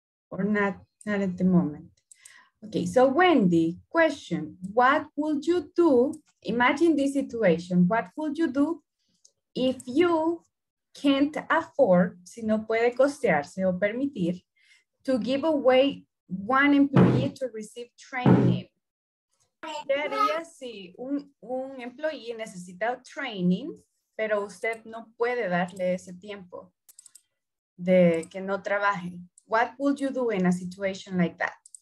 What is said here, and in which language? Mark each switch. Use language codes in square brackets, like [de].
[en] Or not at the moment? Okay, so Wendy, question, what would you do? Imagine this situation, what would you do if you can't afford, [es] si no puede costearse o permitir, [en] to give away one employee to receive training? [es] ¿Qué haría si un employee necesita training, pero usted no puede darle ese tiempo? de que no trabaje. [en] What would you do in a situation like that?